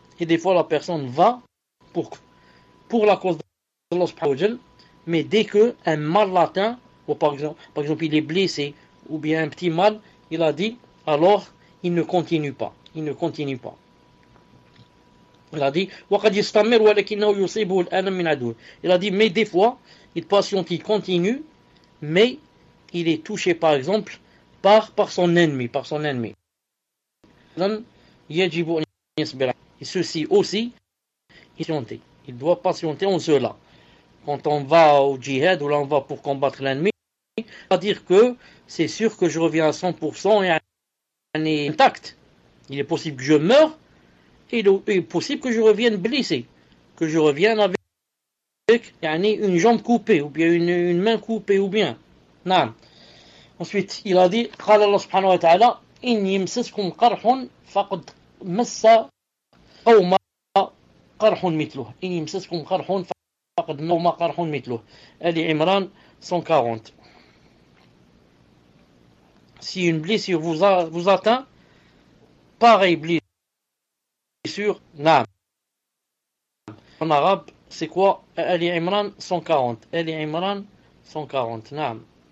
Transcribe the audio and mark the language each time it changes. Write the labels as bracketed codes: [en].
[fr] Et des fois, la personne va pour la cause d'Allah subhanahu wa ta'ala, mais dès qu'un mal l'atteint, ou par exemple, il est blessé, ou bien un petit mal, il a dit, alors, il ne continue pas. Il ne continue pas. Il a dit, [ar] وَقَدْ يَسْتَمِرُ وَلَكِنَّهُ يُصِيبُهُ الْأَذَى مِنْ عَدُوِّهِ. [fr] Il a dit, mais des fois, il patiente, il continue, mais il est touché, par exemple, par son ennemi. [ar] يَجِبُ أَنْ يَسْبِرَ. [fr] Et ceci aussi, il doit patienter en cela. Quand on va au djihad, ou là on va pour combattre l'ennemi, c'est-à-dire que c'est sûr que je reviens à 100% et intact. Il est possible que je meure et il est possible que je revienne blessé, que je revienne avec une jambe coupée ou bien une main coupée ou bien. Non. Ensuite, il a dit, [ar] قال الله سبحانه وتعالى إن يمسسكم قرح فقد مس قوم قرح مثله إن يمسسكم قرح فقد مس قوم قرح مثله آلي عمران 140. [fr] Si une blessure vous atteint, pareil blessure, naam. En arabe, c'est quoi? Ali Imran 140. Ali Imran 140, naam.